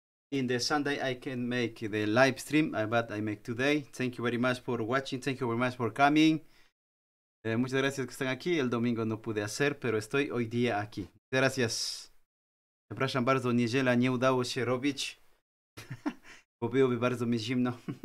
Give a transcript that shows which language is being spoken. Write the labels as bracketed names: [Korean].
[English] In the Sunday I can make the live stream, but I make today. Thank you very much for watching. Thank you very much for coming. [Spanish] Muchas gracias que están aquí. El domingo no pude hacer, pero estoy hoy día aquí. Gracias. [Polish] Przepraszam bardzo, niedziela nie udało się robić, bo byłoby bardzo mi zimno.